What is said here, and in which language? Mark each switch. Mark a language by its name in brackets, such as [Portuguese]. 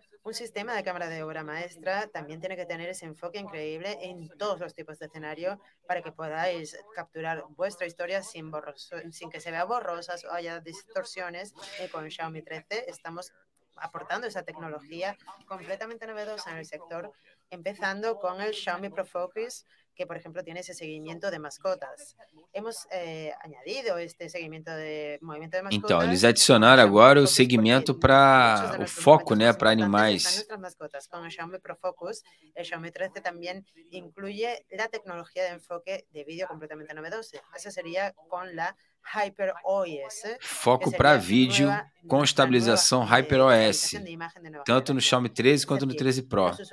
[Spanish] Un sistema de cámara de obra maestra también tiene que tener ese enfoque increíble en todos los tipos de escenario para que podáis capturar vuestra historia sin que se vea borrosas o haya distorsiones. Y con Xiaomi 13 estamos aportando esa tecnología completamente novedosa en el sector, empezando con el Xiaomi ProFocus, que por ejemplo tiene ese seguimiento de mascotas. Hemos añadido este seguimiento de movimiento de mascotas. [Portuguese] Então, eles adicionaram agora o seguimento para o foco, né, para animais. [Spanish] Con el Xiaomi ProFocus, el Xiaomi 13 también incluye la tecnología de enfoque de vídeo completamente novedosa. Esa sería con la HyperOS. [Portuguese] Foco para vídeo com estabilização HyperOS, tanto no Xiaomi 13 quanto no 13 Pro.